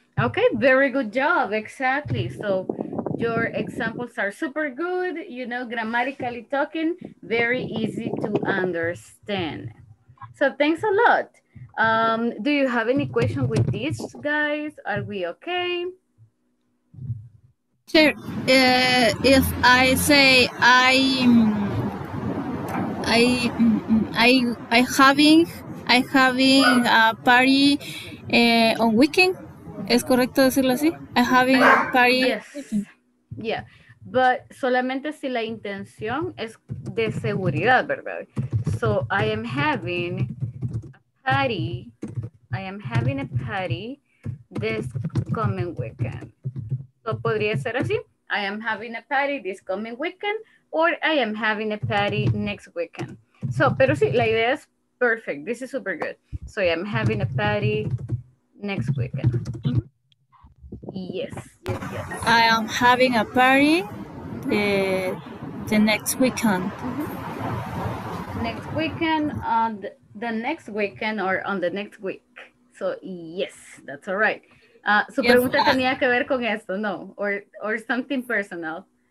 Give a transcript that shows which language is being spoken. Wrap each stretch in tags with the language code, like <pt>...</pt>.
<en>Okay, very good job. Exactly. So your examples are super good. You know, grammatically talking, very easy to understand. So thanks a lot. Do you have any question with this, guys? Are we okay? Sure. If I say I having a party on weekend,</en> <es>¿es correcto decirlo así?</es> <en>I having party. Yes. Yeah. But</en> <es>solamente si la intención es de seguridad, ¿verdad?</es> <en>So I am having a party. I am having a party this coming weekend. So</en> <es>podría ser así,</es> <en>I am having a party this coming weekend, or I am having a party next weekend. So,</en> <es>pero sí, la idea es</es> <en>perfect, this is super good. So I am having a party next weekend. Mm-hmm. Yes. I am having a party the next weekend. Mm-hmm. Next weekend, on the next weekend or on the next week. So, yes, that's all right.</en> <es>Su pregunta yes, tenía que ver con esto, no,</es> <en>or something personal.</en>